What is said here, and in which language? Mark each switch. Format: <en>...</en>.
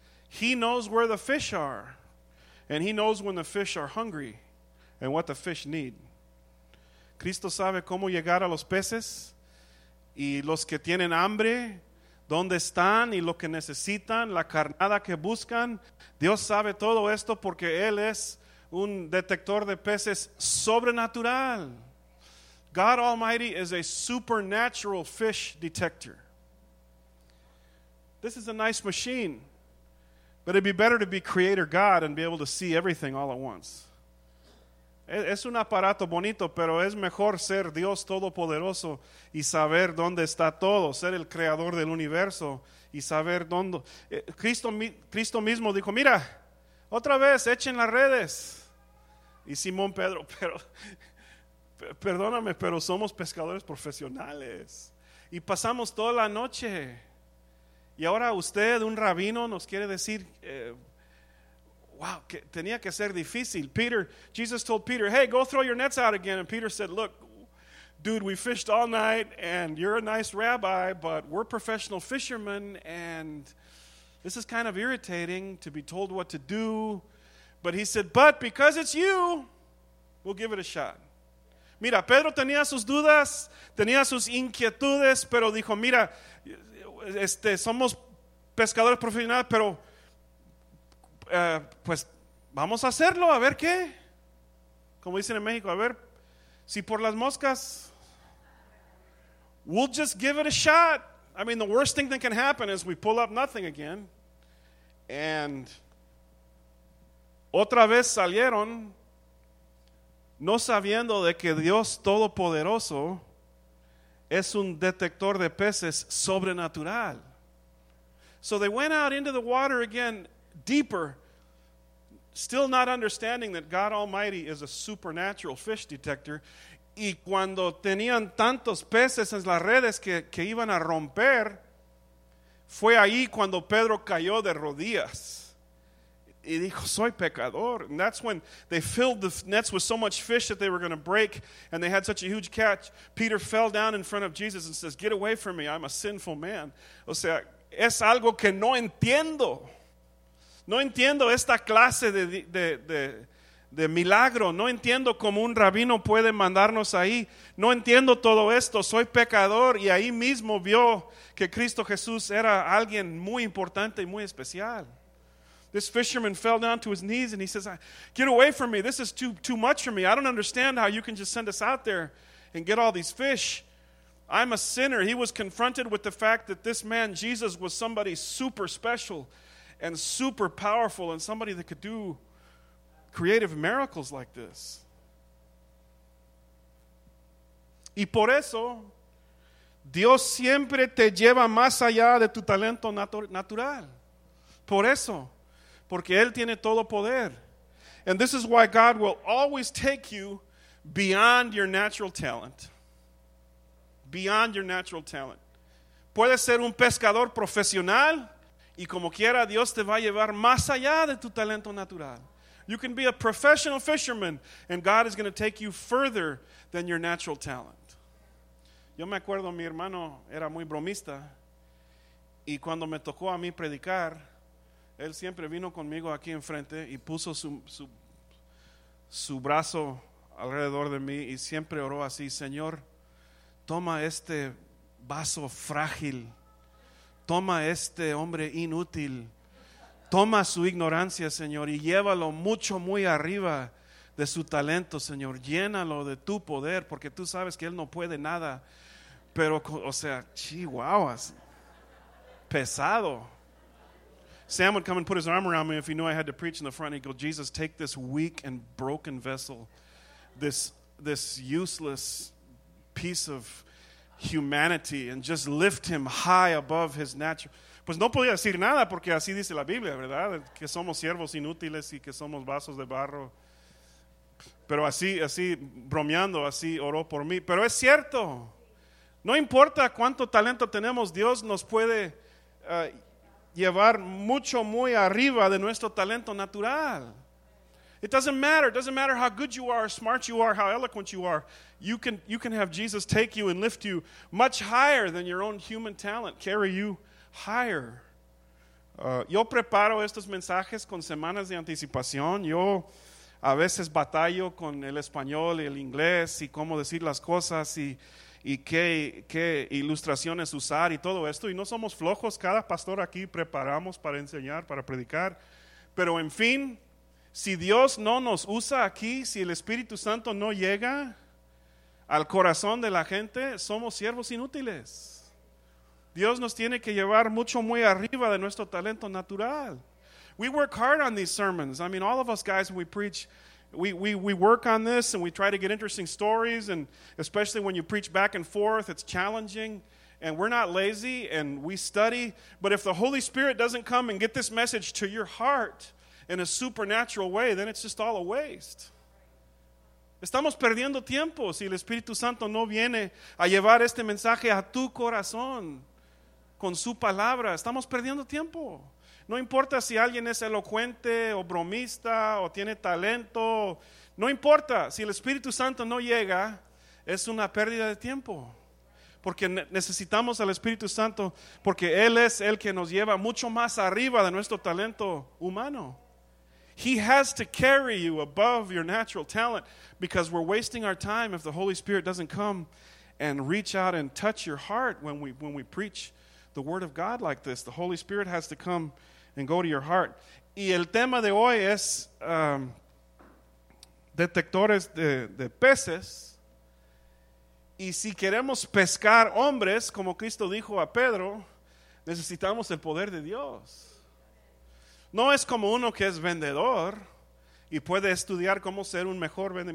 <en>He knows where the fish are, and he knows when the fish are hungry and what the fish need.</en> <es>Cristo sabe cómo llegar a los peces y los que tienen hambre, dónde están y lo que necesitan, la carnada que buscan. Dios sabe todo esto porque él es un detector de peces sobrenatural.</es> <en>God Almighty is a supernatural fish detector. This is a nice machine, but it'd be better to be Creator God and be able to see everything all at once.</en> <es>Es un aparato bonito, pero es mejor ser Dios Todopoderoso y saber dónde está todo, ser el creador del universo y saber dónde. Cristo mismo dijo, mira, otra vez, echen las redes. Y Simón Pedro, pero perdóname, pero somos pescadores profesionales y pasamos toda la noche. Y ahora usted, un rabino, nos quiere decir, wow, que tenía que ser difícil.</es> <en>Peter, Jesus told Peter, hey, go throw your nets out again. And Peter said, look, dude, we fished all night and you're a nice rabbi, but we're professional fishermen and this is kind of irritating to be told what to do. But he said, but because it's you, we'll give it a shot.</en> <es>Mira, Pedro tenía sus dudas, tenía sus inquietudes, pero dijo, mira, somos pescadores profesionales, pero pues vamos a hacerlo, a ver qué. Como dicen en México, a ver, si por las moscas,</es> <en>we'll just give it a shot. I mean, the worst thing that can happen is we pull up nothing again.</en> <es>And otra vez salieron, no sabiendo de que Dios Todopoderoso es un detector de peces sobrenatural.</es> <en>So they went out into the water again, deeper, still not understanding that God Almighty is a supernatural fish detector.</en> <es>Y cuando tenían tantos peces en las redes que iban a romper, fue ahí cuando Pedro cayó de rodillas. Y dijo, soy pecador.</es> <en>And that's when they filled the nets with so much fish that they were going to break, and they had such a huge catch. Peter fell down in front of Jesus and says, get away from me, I'm a sinful man.</en> <es>O sea, es algo que no entiendo. No entiendo esta clase de milagro. No entiendo cómo un rabino puede mandarnos ahí. No entiendo todo esto. Soy pecador. Y ahí mismo vio que Cristo Jesús era alguien muy importante y muy especial.</es> <en>This fisherman fell down to his knees and he says, get away from me. This is too much for me. I don't understand how you can just send us out there and get all these fish. I'm a sinner. He was confronted with the fact that this man, Jesus, was somebody super special and super powerful and somebody that could do creative miracles like this.</en> <es>Y por eso, Dios siempre te lleva más allá de tu talento natural. Por eso, porque Él tiene todo poder.</es> <en>And this is why God will always take you beyond your natural talent. Beyond your natural talent.</en> <es>Puedes ser un pescador profesional y como quiera Dios te va a llevar más allá de tu talento natural.</es> <en>You can be a professional fisherman and God is going to take you further than your natural talent.</en> <es>Yo me acuerdo, mi hermano era muy bromista y cuando me tocó a mí predicar, él siempre vino conmigo aquí enfrente y puso su brazo alrededor de mí y siempre oró así, Señor, toma este vaso frágil, toma este hombre inútil, toma su ignorancia, Señor, y llévalo mucho muy arriba de su talento, Señor, llénalo de tu poder, porque tú sabes que él no puede nada, pero, o sea, chihuahua, pesado.</es> <en>Sam would come and put his arm around me if he knew I had to preach in the front. He'd go, Jesus, take this weak and broken vessel, this useless piece of humanity, and just lift him high above his natural.</en> <es>Pues no podía decir nada porque así dice la Biblia, ¿verdad? Que somos siervos inútiles y que somos vasos de barro. Pero así bromeando, así oró por mí. Pero es cierto. No importa cuánto talento tenemos, Dios nos puede llevar mucho muy arriba de nuestro talento natural.</es> <en>It doesn't matter. It doesn't matter how good you are, how smart you are, how eloquent you are. You can have Jesus take you and lift you much higher than your own human talent. Carry you higher.</en> <es>Yo preparo estos mensajes con semanas de anticipación. Yo a veces batallo con el español y el inglés y cómo decir las cosas y qué ilustraciones usar y todo esto. Y no somos flojos. Cada pastor aquí preparamos para enseñar, para predicar. Pero en fin, si Dios no nos usa aquí, si el Espíritu Santo no llega al corazón de la gente, somos siervos inútiles. Dios nos tiene que llevar mucho muy arriba de nuestro talento natural.</es> <en>We work hard on these sermons. I mean, all of us guys, when we preach, we work on this and we try to get interesting stories, and especially when you preach back and forth, it's challenging. And we're not lazy and we study. But if the Holy Spirit doesn't come and get this message to your heart in a supernatural way, then it's just all a waste.</en> <es>Estamos perdiendo tiempo si el Espíritu Santo no viene a llevar este mensaje a tu corazón con su palabra. Estamos perdiendo tiempo. No importa si alguien es elocuente o bromista o tiene talento. No importa. Si el Espíritu Santo no llega, es una pérdida de tiempo. Porque necesitamos al Espíritu Santo, porque Él es el que nos lleva mucho más arriba de nuestro talento humano.</es> <en>He has to carry you above your natural talent, because we're wasting our time if the Holy Spirit doesn't come and reach out and touch your heart when we preach the Word of God like this. The Holy Spirit has to come and go to your heart.</en> <es>Y el tema de hoy es detectores de peces. Y si queremos pescar hombres, como Cristo dijo a Pedro, necesitamos el poder de Dios. No es como uno que es vendedor y puede estudiar cómo ser un mejor vendedor.</es>